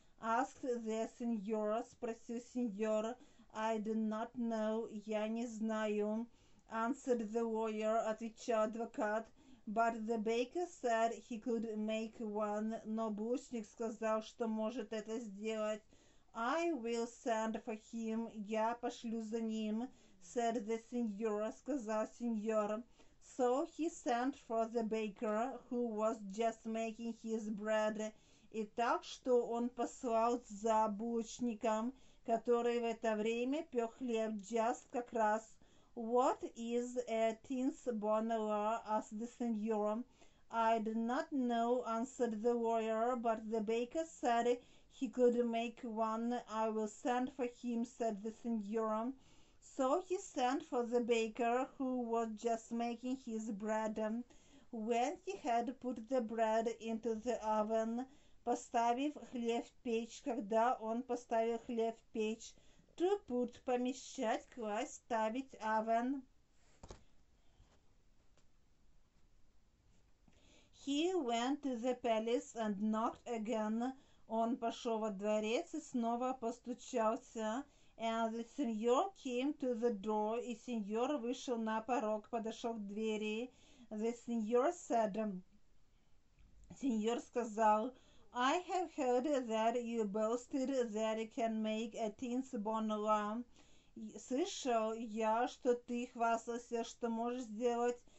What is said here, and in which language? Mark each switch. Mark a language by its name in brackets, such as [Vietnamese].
[English] Asked the senior, [Russian] спросил сеньор, [English] I do not know, [Russian] я не знаю, [English] answered the lawyer, [Russian] отвечал адвокат, [English] but the baker said he could make one, [Russian] но булочник сказал, что может это сделать, [English] I will send for him, [Russian] я пошлю за ним, [English] said the senior, [Russian] сказал сеньор, [English] so he sent for the baker, who was just making his bread. [Russian] И так, что он послал за булочником, который в это время пёк хлеб, just как раз. [English] What is a tintsbunla, asked the senior. I do not know, answered the lawyer, but the baker said he could make one. I will send for him, said the senior. So he sent for the baker, who was just making his bread. When he had put the bread into the oven, [Russian] поставив хлеб в печь, когда он поставил хлеб в печь, [English] to put, [Russian] помещать, класть, ставить, oven. [English] He went to the palace and knocked again. [Russian] Он пошел во дворец и снова постучался. [English] And the senior came to the door. [Russian] И сеньор вышел на порог, подошел к двери. [English] The senior said, [Russian] сеньор сказал, [English] I have heard that you boasted that you can make a tintsbunla. [Russian] Слышал я, что ты хвастался, что можешь сделать.